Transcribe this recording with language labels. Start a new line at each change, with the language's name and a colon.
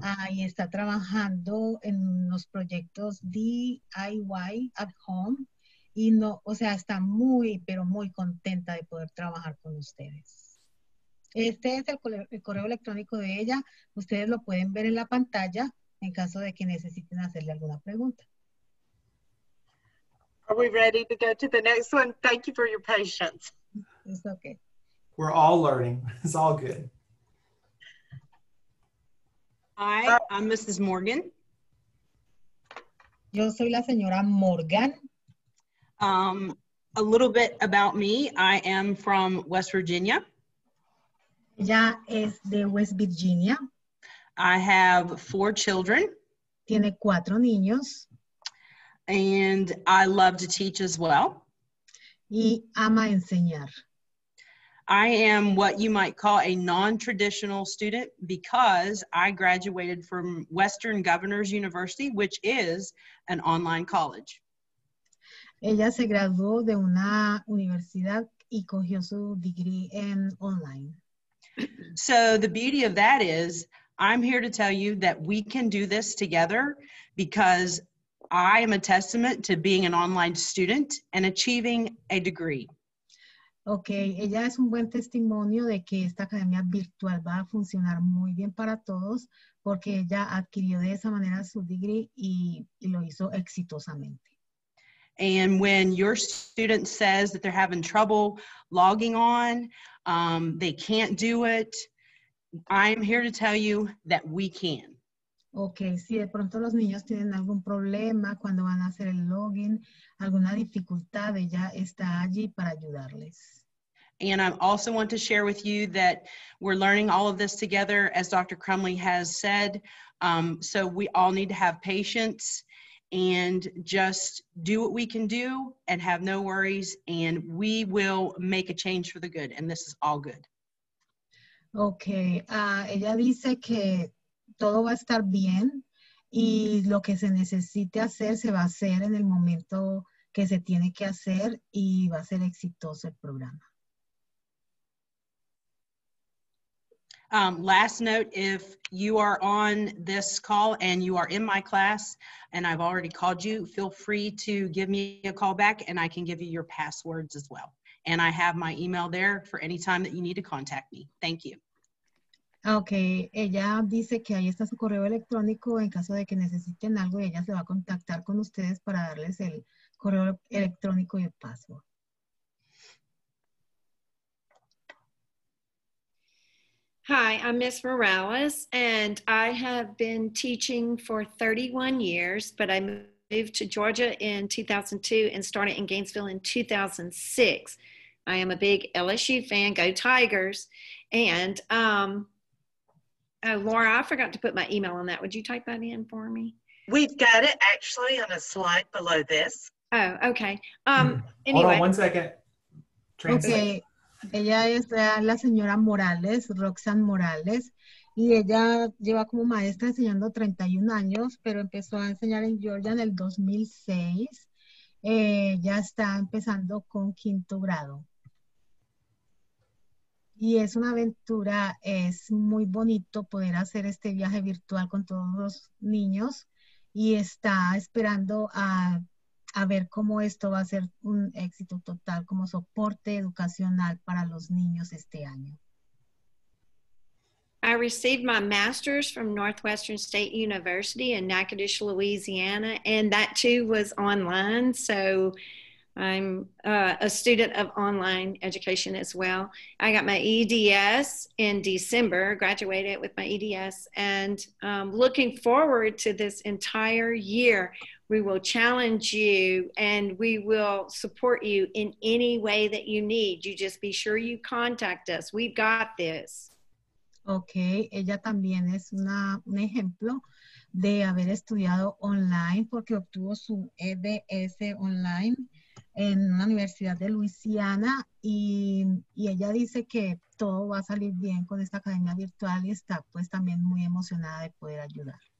Spanish: Y está trabajando en los proyectos DIY
English: at home.
Spanish: Y no, o sea, está muy, pero muy contenta de poder trabajar con ustedes. Este es el correo electrónico de ella. Ustedes lo pueden ver en la pantalla en caso de que necesiten hacerle alguna pregunta.
English: Are we ready to go to the next one? Thank you for your patience. It's okay. We're all learning. It's all good. Hi, I'm Mrs. Morgan.
Spanish: Yo soy la señora Morgan.
English: A little bit about me. I am from West Virginia.
Spanish: Ella es de West Virginia.
English: I have 4 children.
Spanish: Tiene 4 niños.
English: And I love to teach as well.
Spanish: Y ama enseñar.
English: I am what you might call a non-traditional student because I graduated from Western Governors University, which is an online college.
Spanish: Ella se graduó de una universidad y cogió su degree en online.
English: So the beauty of that is, I'm here to tell you that we can do this together because I am a testament to being an online student and achieving a degree.
Spanish: Okay, ella es un buen testimonio de que esta academia virtual va a funcionar muy bien para todos porque ella adquirió de esa manera su degree y lo hizo exitosamente.
English: And when your student says that they're having trouble logging on, they can't do it, I'm here to tell you that we can.
Spanish: Okay, si de pronto los niños tienen algún problema cuando van a hacer el login, alguna dificultad, ella está allí para ayudarles.
English: And I also want to share with you that we're learning all of this together, as Dr. Crumley has said. So we all need to have patience and just do what we can do and have no worries, and we will make a change for the good, and this is all good.
Spanish: Okay, ella dice que todo va a estar bien y lo que se necesite hacer se va a hacer en el momento que se tiene que hacer y va a ser exitoso el programa.
English: Last note, if you are on this call and you are in my class and I've already called you, feel free to give me a call back and I can give you your passwords as well. And I have my email there for any time that you need to contact me. Thank you.
Spanish: Okay, ella dice que ahí está su correo electrónico en caso de que necesiten algo y ella se va a contactar con ustedes para darles el correo electrónico y el password.
English: Hi, I'm Ms. Morales and I have been teaching for 31 years, but I moved to Georgia in 2002 and started in Gainesville in 2006. I am a big LSU fan, go Tigers. And Laura, I forgot to put my email on that. Would you type that in for me? We've got it actually on a slide below this. Oh, okay. Anyway. Hold on 1 second. Translate. Okay.
Spanish: Ella es la señora Morales, Roxanne Morales, y ella lleva como maestra enseñando 31 años, pero empezó a enseñar en Georgia en el 2006. Ya está empezando con quinto grado. Y es una aventura, es muy bonito poder hacer este viaje virtual con todos los niños y está esperando a ver cómo esto va a ser un éxito total como soporte educacional para los niños este año.
English: I received my master's from Northwestern State University in Natchitoches, Louisiana, and that too was online. So I'm a student of online education as well. I got my EDS in December, graduated with my EDS, and looking forward to this entire year. We will challenge you and we will support you in any way that you need. You just be sure you contact us. We've got this.
Spanish: Okay, ella también es un ejemplo de haber estudiado online porque obtuvo su EDS online en la Universidad de Luisiana y ella dice que todo va a salir bien con esta academia virtual y está pues también muy emocionada de poder ayudar.